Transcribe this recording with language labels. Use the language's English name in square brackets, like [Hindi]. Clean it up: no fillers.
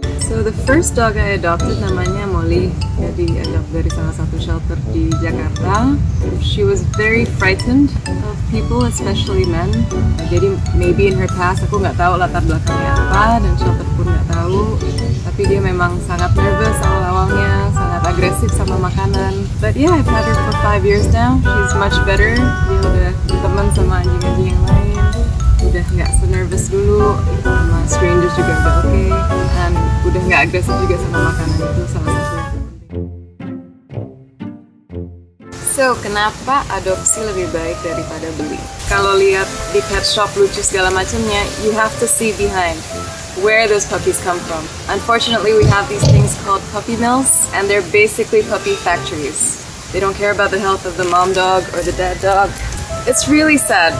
[English] So the first dog I adopted [Indonesian] namanya [English] Molly. [Indonesian] Jadi adopt dari salah satu shelter di Jakarta. [English] She was very frightened of people, especially men. [Indonesian] Jadi [English] maybe in her past [Indonesian] aku nggak tahu latar belakangnya apa dan shelter pun nggak tahu. Tapi dia memang sangat nervous awal-awalnya, sangat agresif sama makanan. [English] But yeah, I've had her for 5 years now. She's much better. [Indonesian] Dia udah berteman sama anjing-anjing yang lain. Udah nggak senervous dulu sama strangers juga udah okay. Dan udah nggak agresif juga sama makanan itu salah satu. So, kenapa adopsi lebih baik daripada beli? Kalau lihat di pet shop lucu segala macamnya, [English] you have to see behind where those puppies come from. Unfortunately, we have these things called puppy mills, and they're basically puppy factories. They don't care about the health of the mom dog or the dad dog. It's really sad.